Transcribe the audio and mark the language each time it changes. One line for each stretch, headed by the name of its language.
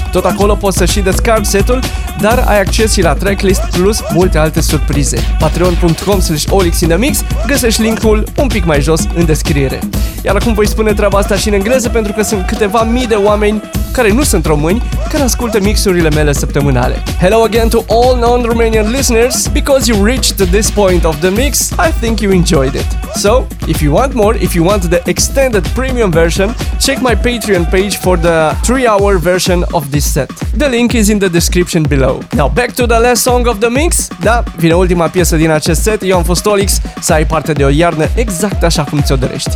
Romanian: Tot acolo poți să și descarci setul, dar ai acces și la tracklist plus multe alte surprize. Patreon.com/OLiX in the Mix, găsești linkul un pic mai jos în descriere. Iar acum voi spune treaba asta și în engleză, pentru că sunt câteva mii de oameni care nu sunt români, care ascultă mixurile mele săptămânale.
English: Hello again to all non-Romanian listeners, because you reached this point of the mix, I think you enjoyed it. So, if you want more, if you want the extended premium version, check my Patreon page for the 3-hour version of this set. The link is in the description below. Now, back to the last song of the mix.
Romanian: Da, vine ultima piesă din acest set, eu am fost OLiX, să ai parte de o iarnă exact așa cum ți-o dorești.